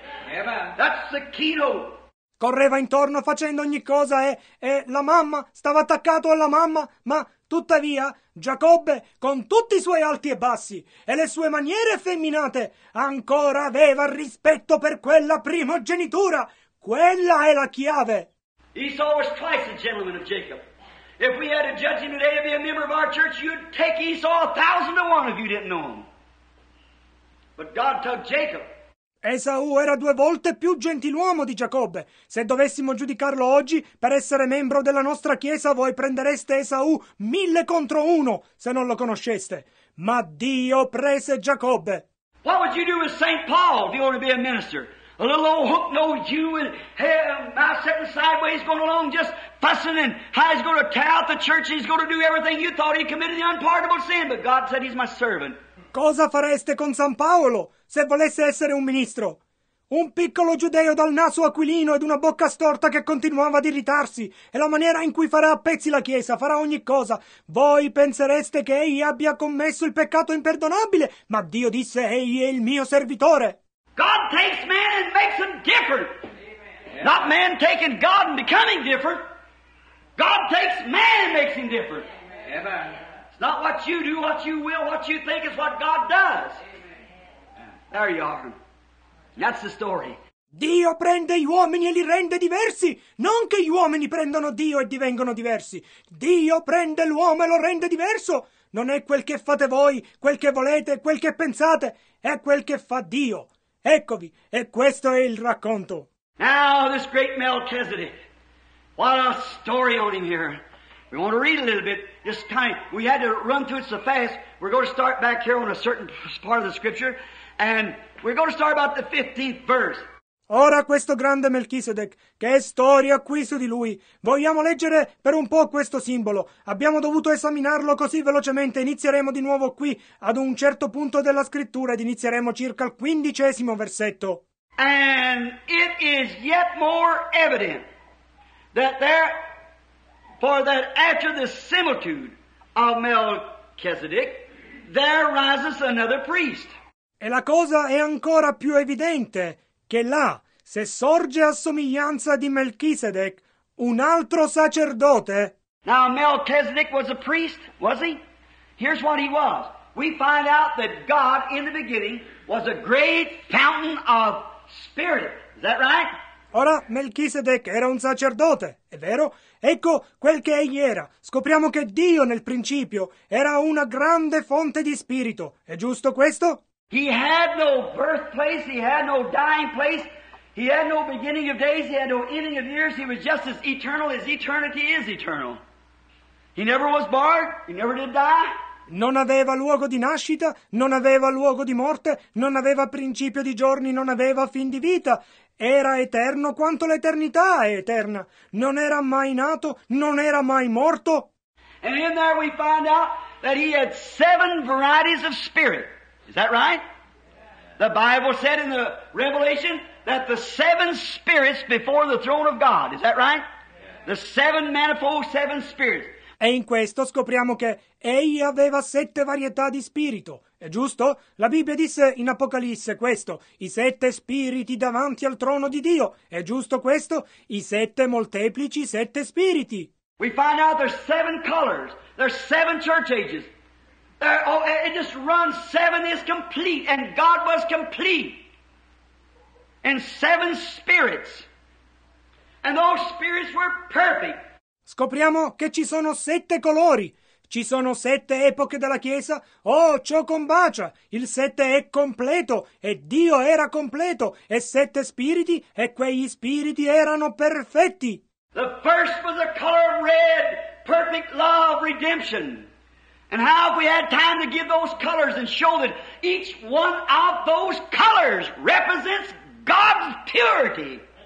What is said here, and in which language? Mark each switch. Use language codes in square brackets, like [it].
[en] Amen. That's the keynote. [it] Correva intorno facendo ogni cosa e la mamma stava attaccato alla mamma, ma tuttavia Giacobbe, con tutti i suoi alti e bassi e le sue maniere effeminate, ancora aveva rispetto per quella primogenitura. Quella è la chiave. [en] Esau was twice a gentleman of Jacob. If we had a judge him today to be a member of our church, you'd take Esau 1,000 to 1 if you didn't know him. But God took Jacob. [it] Esau era due volte più gentiluomo di Giacobbe. Se dovessimo giudicarlo oggi, per essere membro della nostra chiesa, voi prendereste Esau [en] 1,000 to 1 [it] se non lo conosceste. Ma Dio prese Giacobbe. [en] What would you do with St. Paul if you want to be a minister? A little old hook-nosed Jew with hair and mouth sitting sideways going along just fussing and how he's going to tear out the church and he's going to do everything you thought he committed the unpardonable sin. But God said he's my servant. [it] Cosa fareste con San Paolo se volesse essere un ministro? Un piccolo giudeo dal naso aquilino ed una bocca storta che continuava ad irritarsi. E la maniera in cui farà a pezzi la Chiesa, farà ogni cosa. Voi pensereste che egli abbia commesso il peccato imperdonabile, ma Dio disse: egli è il mio servitore. [en] God takes man and makes him different. Amen. Not man taking God and becoming different. God takes man and makes him different. Amen. It's not what you do, what you will, what you think, it's what God does. Amen. There you are. That's the story. [it] Dio prende gli uomini e li rende diversi. Non che gli uomini prendano Dio e divengono diversi. Dio prende l'uomo e lo rende diverso. Non è quel che fate voi, quel che volete, quel che pensate. È quel che fa Dio. Eccovi, e questo è il racconto. [en] Now this great Melchizedek. What a story on him here. We want to read a little bit. Just kind of, we had to run through it so fast. We're going to start back here on a certain part of the scripture. And we're going to start about the 15th verse. [it] Ora questo grande Melchisedec, che storia qui su di lui. Vogliamo leggere per un po' questo simbolo. Abbiamo dovuto esaminarlo così velocemente. Inizieremo di nuovo qui, ad un certo punto della scrittura, ed inizieremo circa il 15° versetto. [en] And it is yet more evident that there, for that after the similitude of Melchizedek, there rises another priest. [it] E la cosa è ancora più evidente che là, se sorge a somiglianza di Melchisedec, un altro sacerdote. [en] Now Melchizedek was a priest, was he? Here's what he was. We find out that God in the beginning was a great fountain of spirit. Is that right? [it] Ora, Melchisedec era un sacerdote, è vero? Ecco quel che egli era. Scopriamo che Dio, nel principio, era una grande fonte di spirito. È giusto questo? [en] He had no birthplace, he had no dying place, he had no beginning of days, he had no ending of years, he was just as eternal as eternity is eternal. He never was born, he never did die. [it] Non aveva luogo di nascita, non aveva luogo di morte, non aveva principio di giorni, non aveva fin di vita. Era eterno quanto l'eternità è eterna. Non era mai nato, non era mai morto. [en] And in there we find out that he had seven varieties of spirit. Is that right? The Bible said in the Revelation that the seven spirits before the throne of God. Is that right? The seven manifold seven spirits. [it] E in questo scopriamo che egli aveva sette varietà di spirito. È giusto? La Bibbia disse in Apocalisse questo, i sette spiriti davanti al trono di Dio. È giusto questo? I sette molteplici sette spiriti. [en] We find out there's seven colors, there's seven church ages. There, oh, it just runs, seven is complete, and God was complete. And seven spirits. And those spirits were perfect. [it] Scopriamo che ci sono sette colori, ci sono sette epoche della Chiesa. Oh, ciò combacia, il sette è completo, e Dio era completo, e sette spiriti, e quegli spiriti erano perfetti. [en] The first was the color of red, perfect love, redemption. And how have we had time to give those colors and show that each one of those colors represents God's purity?